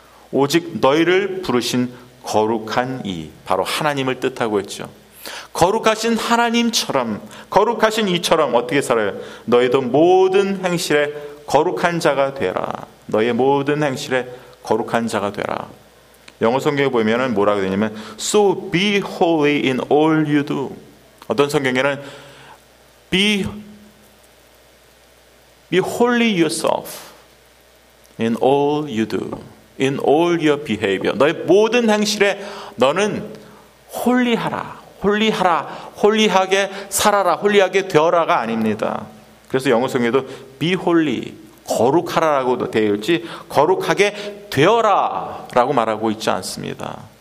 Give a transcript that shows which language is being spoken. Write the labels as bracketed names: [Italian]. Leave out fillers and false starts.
[Korean] 오직 너희를 부르신 거룩한 이, 바로 하나님을 뜻하고 있죠. 거룩하신 하나님처럼, 거룩하신 이처럼 어떻게 살아요? 너희도 모든 행실에 거룩한 자가 되라. 너희의 모든 행실에 거룩한 자가 되라. 영어 성경에 보면은 뭐라고 되냐면 [English] So be holy in all you do. [Korean] 어떤 성경에는 [English] be holy yourself in all you do, in all your behavior. [Korean] 너의 모든 행실에 너는 홀리하라. 홀리하라. 홀리하게 살아라. 홀리하게 되어라가 아닙니다. 그래서 영어 성경에도 [English] be holy, [Korean] 거룩하라라고 되어 있지 거룩하게 되어라 라고 말하고 있지 않습니다.